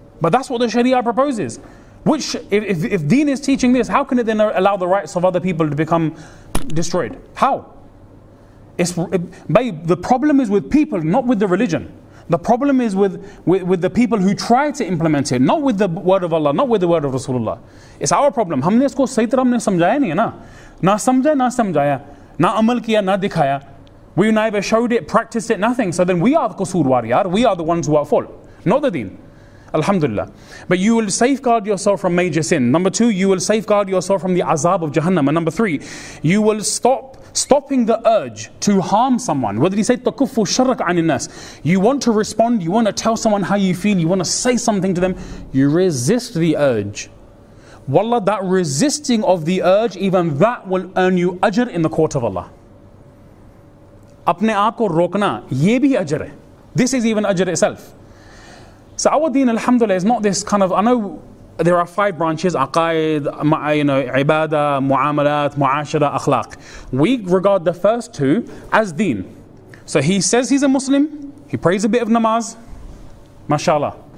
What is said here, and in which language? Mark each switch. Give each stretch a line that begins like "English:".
English: But that's what the sharia proposes. Which, if deen is teaching this, how can it then allow the rights of other people to become destroyed? How? The problem is with people, not with the religion. The problem is with the people who try to implement it, not with the word of Allah, not with the word of Rasulullah. It's our problem.
Urdu: ہم نے اس کو صحیح طرح ہم نے سمجھایا نہیں نا. نا سمجھا، نا سمجھایا. نا عمل کیا، نا دکھایا.
English: We neither showed it, practiced it, nothing. So then we are the
Urdu: kusurwar, yaar.
English: We are the ones who are at fault. Not the deen. Alhamdulillah. But you will safeguard yourself from major sin. Number two, you will safeguard yourself from the azab of Jahannam. And number three, you will stopping the urge to harm someone. What did he say?
Arabic: Takuffu sharak anin nas.
English: You want to respond, you want to tell someone how you feel, you want to say something to them, you resist the urge. Wallah, that resisting of the urge, even that will earn you ajr in the court of Allah.
Urdu: اپنے آپ کو روکنا، یہ بھی اجر ہے.
English: This is even ajr itself. So our deen, alhamdulillah, is not this kind of, I know there are five branches, aqaid, you know, ibadah, mu'amalat, mu'ashara, akhlaq. We regard the first two as deen. So he says he's a Muslim, he prays a bit of namaz, mashallah.